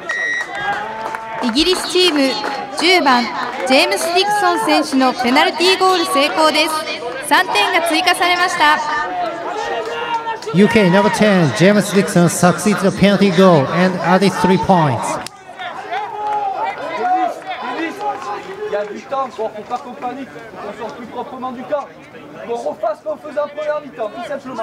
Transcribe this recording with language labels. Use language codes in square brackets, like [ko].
[ja] 10番ジェームス・ディクソン選手のペナルティーゴール成功です。 3点が追加されました。 [en] UK No. 10 James Dixon succeeds the penalty goal and added 3 points. [fr] Il y a du temps, il ne faut pas qu'on panique, on sort plus proprement du camp. qu'on refasse ce qu'on faisait en première mi-temps, tout simplement.